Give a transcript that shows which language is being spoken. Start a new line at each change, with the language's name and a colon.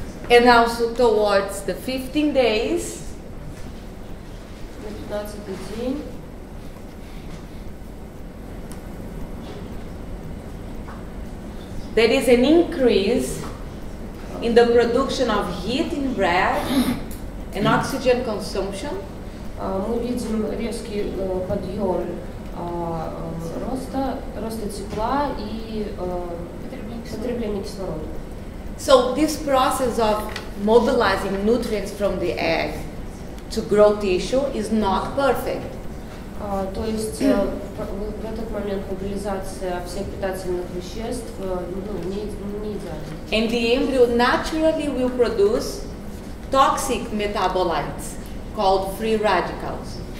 English: And also towards the 15 days.
Russian: На 15-й день.
English: There is an increase in the production of heat in red. And oxygen consumption.
Russian: Мы видим резкий подъем роста тепла и потребления кислорода.
English: So this process of mobilizing nutrients from the egg to grow tissue is not perfect.
Russian: То есть в этот момент мобилизация всех питательных веществ не идеальна.
English: And the embryo naturally will produce toxic metabolites called free radicals.